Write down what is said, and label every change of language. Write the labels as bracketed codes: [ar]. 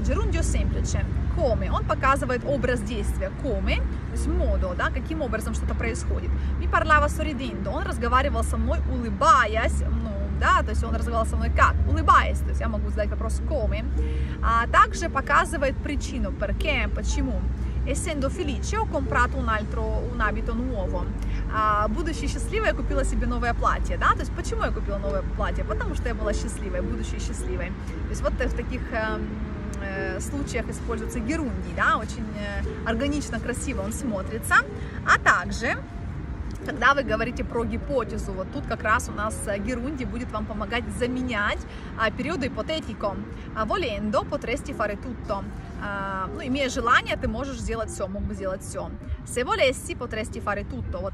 [ru] Gerundio semplice, come, он показывает образ действия, come, то есть modo, да, каким образом что-то происходит. [it] Mi parlava sorridendo, [ru] он разговаривал со мной улыбаясь, ну, да, то есть он разговаривал со мной как? Улыбаясь, то есть я могу задать вопрос come. А также показывает причину, perché, почему. [it] Essendo felice, ho comprato un altro, un abito nuovo. [ru] Будучи счастливой, я купила себе новое платье, да, то есть почему я купила новое платье? Потому что я была счастливой, будучи счастливой. То есть вот в таких случаях используется герунди, да, очень органично, красиво он смотрится. А также, когда вы говорите про гипотезу, вот тут как раз у нас герунди будет вам помогать заменять периоду ипотетико. [it] Volendo potresti fare tutto. [ru] Ну, имея желание, ты можешь сделать все, мог бы сделать все. [it] Se volessi potresti fare tutto.